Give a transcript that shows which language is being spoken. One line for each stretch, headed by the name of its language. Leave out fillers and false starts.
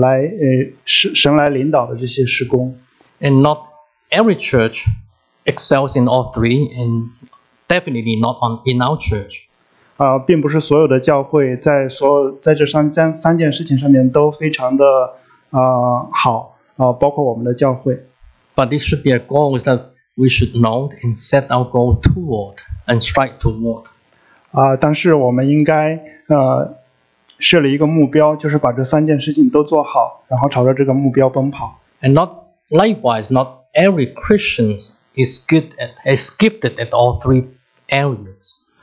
Chinese: 所有的这些事工都是建立在耶稣基督之上，神来领导的这些事工。
English: And not every church excels in all three, and definitely not in our church.
Chinese: 并不是所有的教会在这三件事情上面都非常的好，包括我们的教会。
English: But this should be a goal that we should know and set our goal toward and strive toward.
Chinese: 但是我们应该设立一个目标，就是把这三件事情都做好，然后朝着这个目标奔跑。
English: And not likewise, not every Christian is gifted at all three areas.